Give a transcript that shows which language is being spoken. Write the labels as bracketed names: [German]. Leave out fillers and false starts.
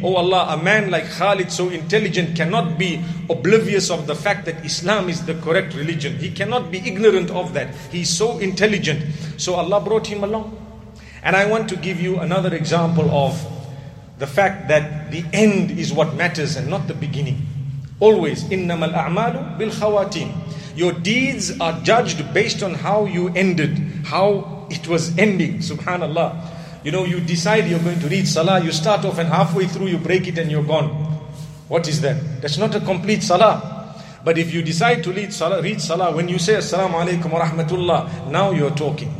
[English] Oh Allah, a man like Khalid, so intelligent, cannot be oblivious of the fact that Islam is the correct religion. He cannot be ignorant of that. He's so intelligent. So Allah brought him along. And I want to give you another example of the fact that the end is what matters and not the beginning. Always, [Arabic] إِنَّمَا الْأَعْمَالُ بِالْخَوَاتِيمِ. [English] Your deeds are judged based on how you ended, how it was ending. Subhanallah. You know, you decide you're going to read salah, you start off and halfway through you break it and you're gone. What is that? That's not a complete salah. But if you decide to read salah, when you say assalamu alaikum wa rahmatullah, now you're talking.